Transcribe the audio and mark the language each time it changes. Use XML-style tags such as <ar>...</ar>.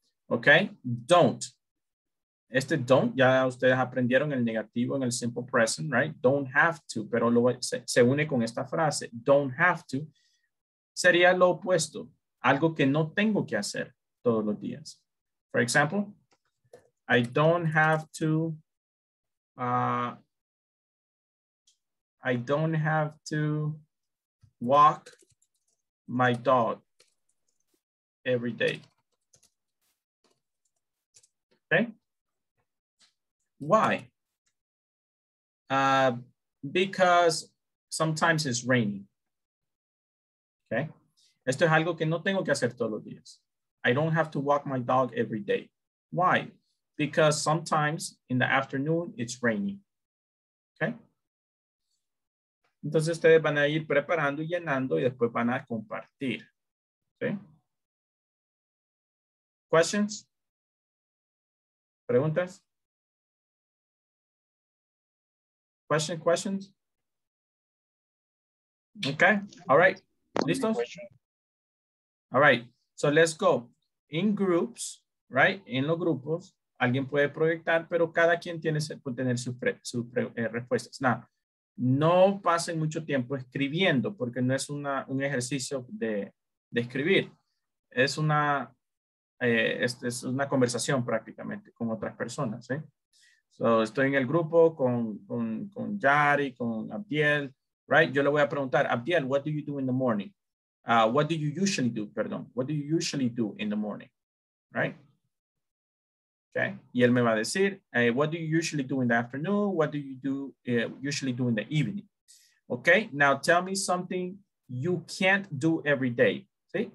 <en>Okay? Don't.</en> <es>Este</es> <en>don't,</en> <es>ya ustedes aprendieron el negativo en el</es> <en>simple present, right? Don't have to,</en> <es>pero se une con esta frase.</es> <en>Don't have to.</en> <es>Sería lo opuesto. Algo que no tengo que hacer todos los días.</es> <en>For example, I don't have to. I don't have to walk my dog every day. Okay? Why? Because Sometimes it's raining. Okay.</en> <es>Esto es algo que no tengo que hacer todos los días.</es> <en>I don't have to walk my dog every day. Why? Because sometimes in the afternoon it's raining. Okay.</en> <es>Entonces ustedes van a ir preparando y llenando y después van a compartir.</es> <en>Okay. Questions?</en> <es>Preguntas?</es> <en>Questions? Okay, all right,</en> <es>listos?</es> <en>All right, so let's go. In groups, right,</en> <es>en los grupos, alguien puede proyectar, pero cada quien tiene puede tener sus respuestas. Now, no pasen mucho tiempo escribiendo, porque no es un ejercicio de escribir. Es una, es una conversación prácticamente con otras personas, ¿sí? So, estoy en el grupo con Yari, con Abdiel, right? Yo le voy a preguntar,</es> <en>Abdiel, what do you do in the morning? What do you usually do,</en> <es>perdón?</es> <en>What do you usually do in the morning, right? Okay,</en> <es>y él me va a decir,</es> <en>what do you usually do in the afternoon? What do you do usually do in the evening? Okay, now tell me something you can't do every day, ¿sí?</en>